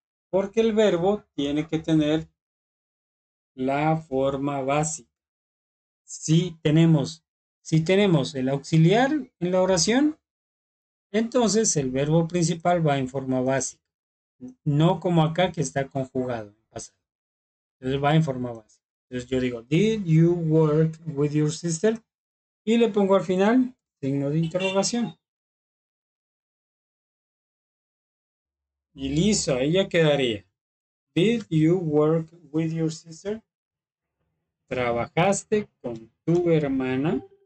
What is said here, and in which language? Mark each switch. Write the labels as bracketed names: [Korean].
[Spanish] Porque el verbo tiene que tener la forma básica. Si tenemos el auxiliar en la oración, entonces el verbo principal va en forma básica. No como acá que está conjugado en pasado. Entonces va en forma básica. Entonces yo digo, [English] did you work with your sister? [Spanish] Y le pongo al final signo de interrogación. Y listo, ahí ya quedaría. [English] Did you work with your sister? [Spanish] ¿Trabajaste con tu hermana?